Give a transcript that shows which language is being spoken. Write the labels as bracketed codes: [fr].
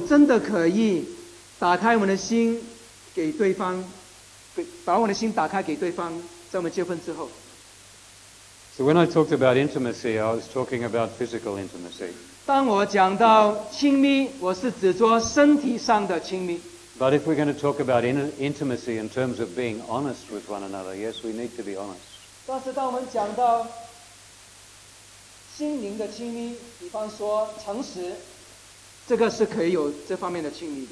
[zh] 这个问题说，如果我们在婚前不能够亲密，我们在婚后能否真的可以打开我们的心？给对方，把我的心打开给对方，在我们结婚之后。 [en] So when I talked about intimacy, I was talking about physical intimacy. [zh] 当我讲到亲密，我是指着身体上的亲密。 [en] But if we're going to talk about intimacy in terms of being honest with one another, yes, we need to be honest. [zh] 但是当我们讲到心灵的亲密，比方说诚实，这个是可以有这方面的亲密。